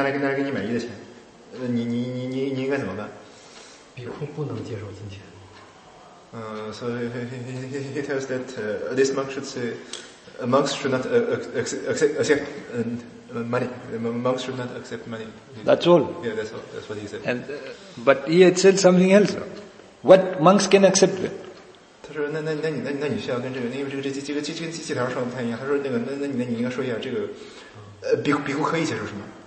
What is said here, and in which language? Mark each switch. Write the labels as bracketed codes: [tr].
[zh] 然后张老师，那个张老师，现在问的是该一个问题。假如说一个句子，我跟你说，尊者，这些人是拿来给你买一的钱，你应该怎么办？比库不能接受金钱。 [en] So he tells that this monk should say, monks should not accept money. Monks should not accept money. That's all. Yeah, that's all. That's what he said. But he had said something else. What monks can accept? [zh] 他说那你需要跟这个，因为这个几条说的不太一样。他说那你应该说一下这个，比库可以接受什么？